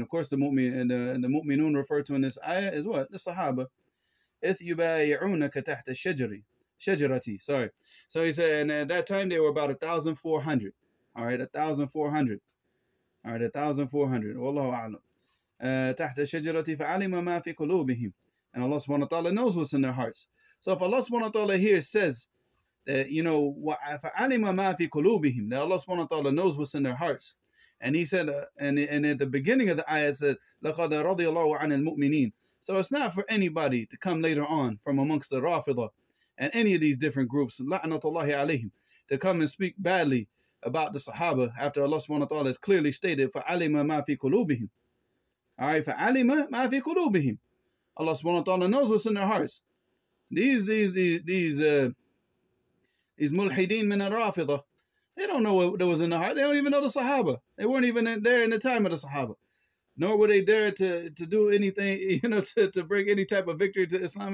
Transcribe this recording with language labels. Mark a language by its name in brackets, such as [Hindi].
[English] And of course, the mu'minun referred to in this ayah is what? The Sahaba. [Arabic] إِذْ يُبَايِعُونَكَ تَحْتَ الشَّجَرِ شَجَرَتِي [English] Sorry. So he said, and at that time, they were about 1,400. All right, 1,400. All right, 1,400. [Arabic] وَاللَّهُ أَعْلَمُ تَحْتَ الشَّجَرَةِ فَعَلِمَ مَا فِي قُلُوبِهِمْ [English] And Allah subhanahu wa ta'ala knows what's in their hearts. So if Allah subhanahu wa ta'ala here says that, you know, [Arabic] فَعَلِمَ مَا فِي قُلُوبِهِمْ, [English] that Allah subhanahu wa ta'ala knows what's in their hearts. And he said, and at the beginning of the ayah said, [Arabic] لَقَدَ رَضِيَ اللَّهُ عَنِ الْمُؤْمِنِينَ. [English] So it's not for anybody to come later on from amongst the Rafida and any of these different groups, [Arabic] la'natullahi alayhim, [English] to come and speak badly about the Sahaba after Allah subhanahu wa ta'ala has clearly stated, [Arabic] فَعَلِمَ مَا فِي قُلُوبِهِمْ. [English] All right, [Arabic] فَعَلِمَ مَا فِي قُلُوبِهِمْ. [English] Allah subhanahu wa ta'ala knows what's in their hearts. These [Arabic] mulhideen min al-rafida, [English] they don't know what was in the heart. They don't even know the Sahaba. They weren't even there in the time of the Sahaba. Nor were they there to do anything, you know, to bring any type of victory to Islam.